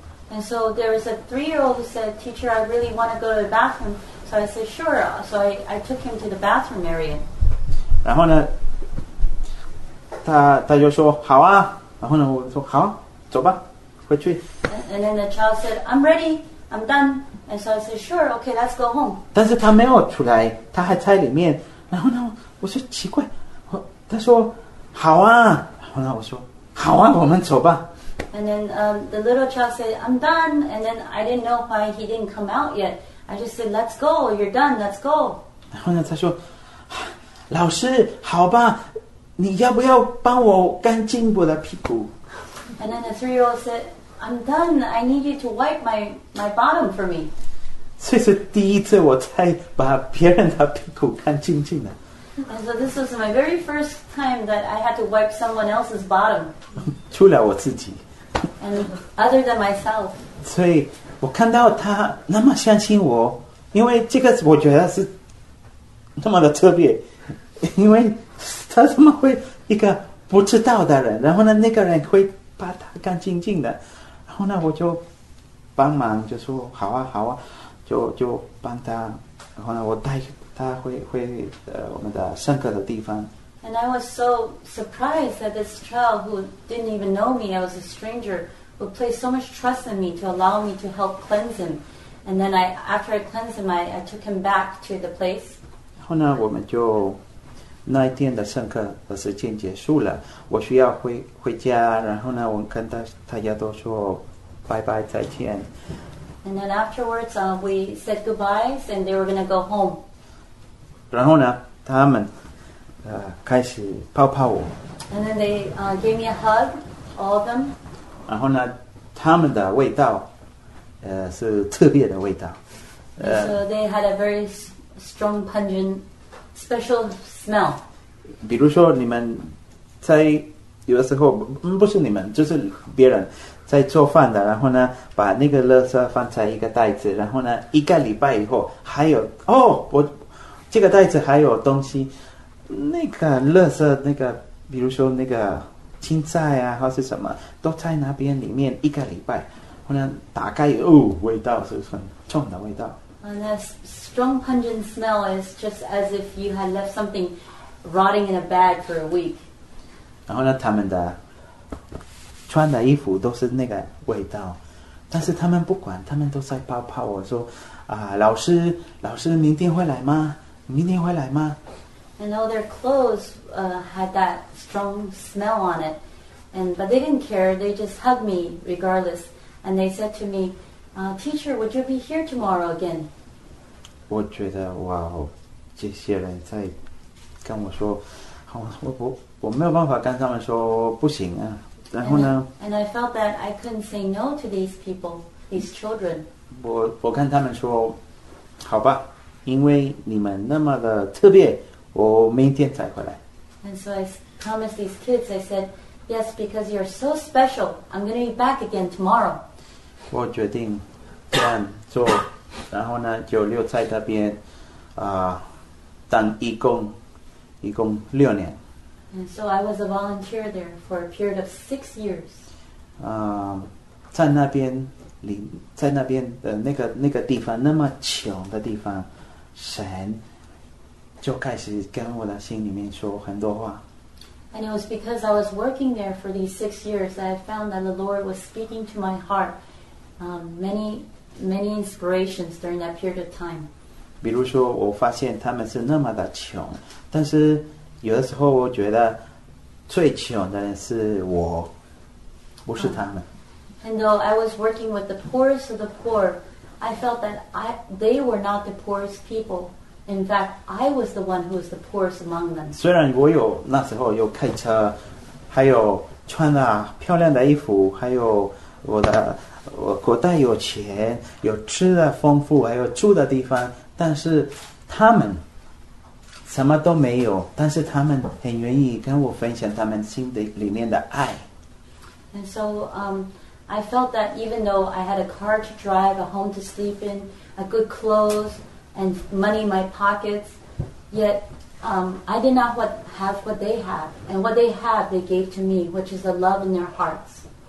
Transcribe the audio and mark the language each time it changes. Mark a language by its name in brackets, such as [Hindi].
[English] And so there was a three-year-old who said, "Teacher, I really want to go to the bathroom." So I said, "Sure." So I took him to the bathroom area. [Chinese] 然后呢，他就说好啊。然后呢，我说好，走吧。 [English] And then the child said, "I'm ready, I'm done." And so I said, "Sure, okay, let's go home." [Chinese] 但是他没有出来，他还在里面。然后呢，我说奇怪，他说好啊。然后呢，我说好啊，我们走吧。 [English] And then the little child said, "I'm done." And then I didn't know why he didn't come out yet. I just said, "Let's go, you're done, let's go." [Chinese] 然后呢，他说，老师，好吧，你要不要帮我干净我的屁股？ [English] And then the three-year-old said, "I'm done. I need you to wipe my bottom for me." [Chinese] 这是第一次我才把别人的屁股看清净的。 [English] And so this was my very first time that I had to wipe someone else's bottom. [Chinese] 除了我自己。 [English] And other than myself. [Chinese] 所以我看到他那么相信我，因为这个我觉得是那么的特别，因为他怎么会一个不知道的人，然后呢那个人会把他干净净的，然后呢我就帮忙就说好啊好啊，就帮他，然后呢我带他回我们的上课的地方。 [English] And I was so surprised that this child who didn't even know me, I was a stranger, would place so much trust in me to allow me to help cleanse him. And then after I cleansed him, I took him back to the place. [Chinese] 然后呢我们就那一天的上课的时间结束了，我需要回家，然后呢我跟大家都说拜拜再见。 [English] And then afterwards, we said goodbyes and they were going to go home. [Chinese] 然后呢他们开始泡泡我。 [English] And then they gave me a hug, all of them. [Chinese] 然后呢他们的味道是特别的味道。 [English] So they had a very strong pungent special smell. [Chinese] 比如说你们在有的时候不是你们就是别人在做饭的，然后呢把那个垃圾放在一个袋子，然后呢一个礼拜以后还有哦，我这个袋子还有东西，那个垃圾那个比如说那个青菜啊或是什么都在那边里面一个礼拜，后来打开哦，味道是很重的味道。 [English] And that strong pungent smell is just as if you had left something rotting in a bag for a week. [Chinese] 然后呢他们的穿的衣服都是那个味道，但是他们不管，他们都在泡泡我说老师老师明天会来吗，明天会来吗。 [English] And all their clothes had that strong smell on it. But they didn't care, they just hugged me regardless. And they said to me, teacher, would you be here tomorrow again? [Chinese] 我觉得哇，这些人在跟我说，我没有办法跟他们说不行啊。然后呢 [English] and I felt that I couldn't say no to these people, these children. [Chinese] 我跟他们说，好吧，因为你们那么的特别，我明天才回来。 [English] And so I promised these kids, I said, yes, because you're so special, I'm going to be back again tomorrow. [Chinese] 我决定这样做，然后呢，就留在那边，当义工六年。 [English] And so I was a volunteer there for a period of 6 years. [Chinese] 在那边，在那边的那个地方，那么穷的地方，神就开始跟我的心里面说很多话。 [English] And it was because I was working there for these 6 years that I found that the Lord was speaking to my heart many, many inspirations during that period of time. [Chinese] 比如说，我发现他们是那么的穷，但是有的时候我觉得最穷的人是我，不是他们。 [English] And though I was working with the poorest of the poor, I felt that they were not the poorest people. In fact, I was the one who was the poorest among them. [Chinese] 虽然我有那时候有开车，还有穿了漂亮的衣服，还有我口袋有钱，有吃的丰富，还有住的地方，但是他们什么都没有，但是他们很愿意跟我分享他们心里面的爱。 [English] And so, I felt that even though I had a car to drive, a home to sleep in, a good clothes, and money in my pockets, yet, I did not have what they have. And what they have, they gave to me, which is the love in their hearts.